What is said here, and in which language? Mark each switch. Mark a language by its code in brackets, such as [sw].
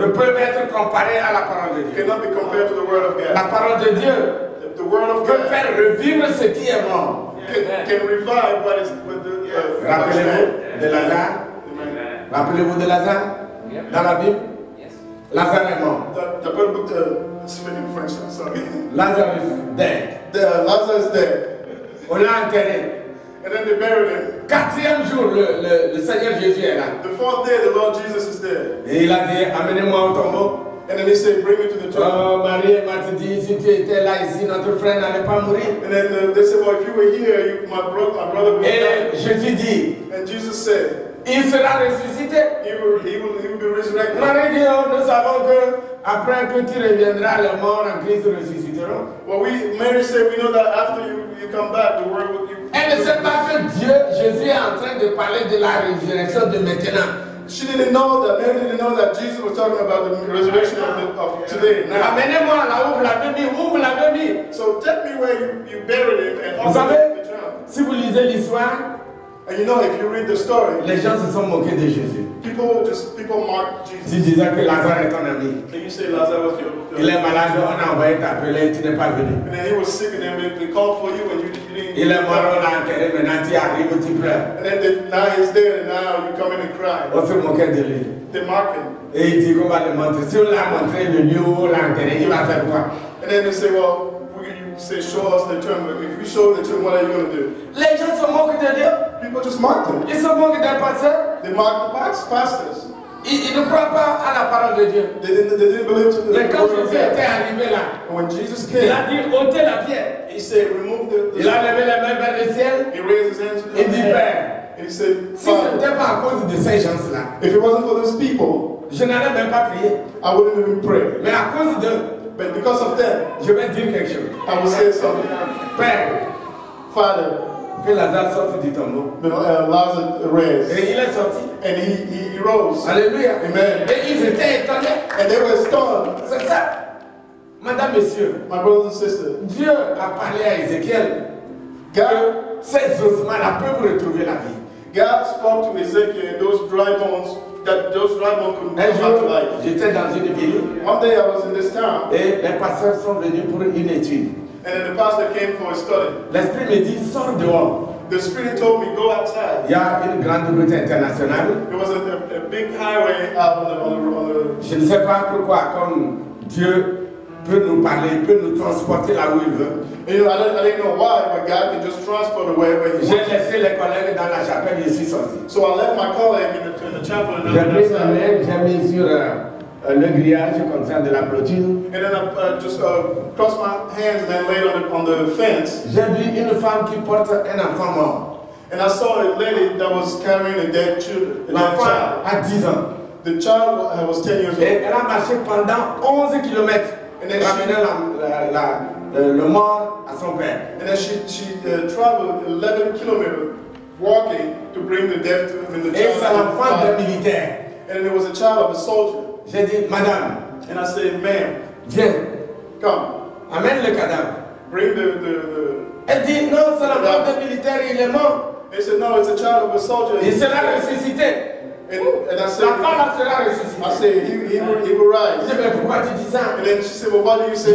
[fr] Ne peut être comparé à la parole de Dieu. [en] Cannot be compared to the word of God. [fr] La parole de Dieu. [en] The word of God. [fr] Peut faire revivre ce qui est mort. [en] Can revive what is with the. [fr] Rappelez-vous de Lazare. Rappelez-vous de Lazare. [en] Yep. [fr] Dans la Bible. [en] Yes. [fr] Lazare est mort. [en] Lazare is dead. Lazare is dead. [fr] On l'a enterré. [en] And then they buried him. [fr] Quatrième jour, le Seigneur Jésus est là. [en] The fourth day, the Lord Jesus is there. [fr] Et il a dit, amenez-moi au tombeau. [en] And then he said, bring me to the tomb. [fr] Oh, Marie m'a dit, si tu étais là ici, notre frère n'allait pas mourir. [en] And then they said, well, if you were here, my brother would die. [fr] Et Jésus dit. [en] And Jesus said, [fr] il sera ressuscité. [en] He will be resurrected. [fr] Marie dit, oh, nous savons que après que tu reviendras, les morts en Christ ressusciteront. [en] Well, Mary said, we know that after you come back, the world will. [fr] Elle ne sait pas que Dieu, Jésus est en train de parler de la résurrection de maintenant. [en] She didn't know that. Mary didn't know that Jesus was talking about the resurrection of today. [fr] Now. Amenez-moi là où vous l'avez mis. Où vous l'avez mis? [en] So tell me where you buried him. And [fr] vous savez, si vous lisez l'histoire, [en] and you know if you read the story, [fr] les gens se sont moqués de Jésus. [en] People mock Jesus. [fr] Ils disaient que Lazare est ton ami. [en] Can you say Lazare was your? [fr] Il est malade. On a envoyé t'appeler et tu n'es pas venu. [en] And then he was sick and then they called for you and you didn't. [fr] Il est mort. On a enterré. Maintenant tu arrives et tu pleures. [en] And then now he's dead and now you come in and cry. [fr] On se moquait de lui. [en] They mock him. [fr] Et il dit qu'on va le montrer. Si on l'a montré le lieu où on l'a enterré, il va faire quoi? [en] And then they say, well, say, show us the tomb. If you show the tomb, what are you going to do? [fr] Les gens se moquent de Dieu. [en] People just mock them. [fr] Ils se moquent des pasteurs. [en] They mock the pastors. [fr] Ils ne croient pas à la parole de Dieu. [en] They didn't believe to the [fr] Mais quand Jésus était arrivé là, [en] when Jesus came, [fr] il a dit ôtez la pierre. [en] He said, remove the [fr] il a levé les mains vers le ciel. [en] He raised his hands to the [fr] il dit Père. [en] And he said, [fr] si ce n'était pas à cause de ces gens là, [en] if it wasn't for those people, [fr] je n'allais même pas prier. [en] I wouldn't even pray. [fr] Mais à cause de, [en] but because of them, [fr] je vais dire quelque chose. [en] I will say something. [fr] Père, [en] Father. [fr] Que Lazare sorte du tombeau. [en] Lazare [fr] et il est sorti. [en] And he rose. [fr] Alléluia. [en] Amen. [fr] Et ils étaient étonnés. [en] And they were stunned. [fr] C'est ça. Madame, Monsieur. [en] My brothers and sisters. [fr] Dieu a parlé à Ézéchiel. [en] God. [fr] Ces ossements-là peuvent retrouver la vie. [en] God spoke to Ezekiel and those dry bones. That those dry bones could come back to life. [fr] J'étais dans une ville. [en] One day I was in this town. [fr] Et les pasteurs sont venus pour une étude. [en] And then the pastor came for a study. [fr] L'esprit me dit, sors dehors. [en] The spirit told me, go outside. [fr] Il y a une grande route internationale. [en] It was a big highway out on the road. [fr] Je ne sais pas pourquoi, comme Dieu peut nous parler, peut nous transporter là où il veut. [en] You know, I didn't know why, but God could just transport away when he [fr] J'ai laissé les collègues dans la chapelle et je suis sorti. [en] So I left my colleague in the chapel. And [fr] j'ai pris ma main, j'ai mis sur le grillage concernant de la clôture. [en] And then I just crossed my hands and then laid on the fence. [fr] J'ai vu une femme qui porte un enfant mort. [en] And I saw a lady that was carrying a dead child. [fr] L'enfant a 10 ans. [en] The child was 10 years old. [fr] Et elle a marché pendant 11 kilomètres. [en] And then she [fr] le mort à son père. [en] And then she traveled 11 kilometers walking to bring the dead to the child. [fr] Et c'est l'enfant d'un militaire. [en] And it was a child of a soldier. [fr] J'ai dit, madame. [en] And I said, ma'am. [fr] Viens. [en] Come. [fr] Amène le cadavre. [en] Bring the [fr] Elle dit, non, c'est l'enfant d'un militaire, il est mort. [en] He said, no, it's a child of a soldier. [fr] Il sera ressuscité. [en] And I said, [fr] la sera ressuscité. [en] I said, he will rise. [fr] Mais pourquoi tu dis ça? [en] And then she said, well, why do you say